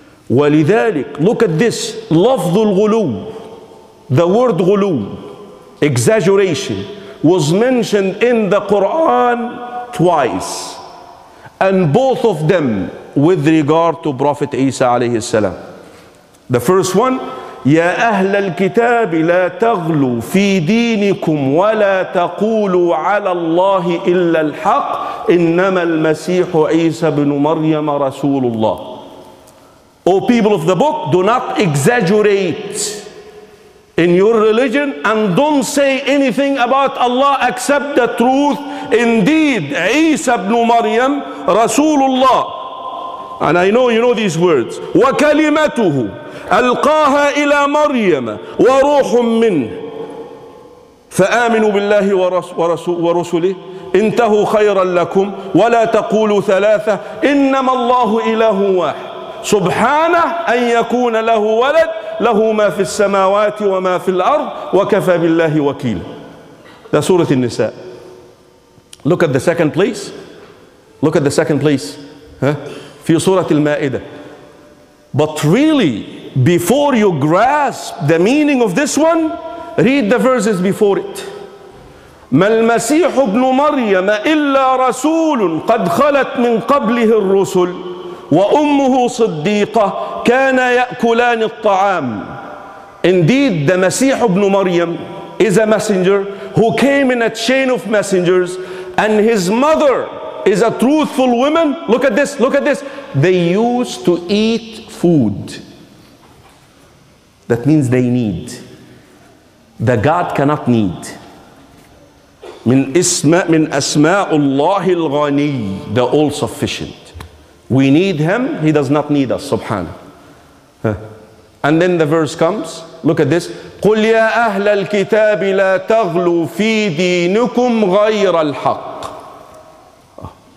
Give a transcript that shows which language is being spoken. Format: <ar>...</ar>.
<ar>ولذلك,</ar> <en>look at this,</en> <ar>لفظ الغلو,</ar> <en>the word غلو, exaggeration, was mentioned in the Quran twice, and both of them with regard to Prophet Isa alayhi salam. The first one,</en> <ar>يا أهل الكتاب لا تغلوا في دينكم ولا تقولوا على الله إلا الحق إنما المسيح عيسى بن مريم رسول الله.</ar> <en>O people of the book, do not exaggerate in your religion and don't say anything about Allah except the truth. Indeed,</en> <ar>عيسى بن مريم رسول الله.</ar> <en>And I know you know these words.</en> <ar>وكلمته ألقاها إلى مريم وروح منه فآمنوا بالله ورسله انتهوا خيرا لكم ولا تقولوا ثلاثة إنما الله إله واحد سبحانه أن يكون له ولد له ما في السماوات وما في الأرض وكفى بالله وكيلا. ده سورة النساء.</ar> <en>Look at the second place. Look at the second place.</en> <ar>في سورة المائدة.</ar> <en>But really, before you grasp the meaning of this one, read the verses before it.</en> <ar>ما المسيح ابن مريم إلا رسول قد خلت من قبله الرسل وأمه صديقة كان يأكلان الطعام.</ar> <en>Indeed, the Messiah ibn Maryam is a messenger who came in a chain of messengers, and his mother is a truthful woman. Look at this, look at this. They used to eat food. That means they need. The God cannot need.</en> <ar>من اسم من أسماء الله الغني,</ar> <en>the all sufficient. We need him, he does not need us, subhanah. And then the verse comes, look at this.</en> <ar>قل يا أهل الكتاب لا تغلوا في دينكم غير الحق.</ar>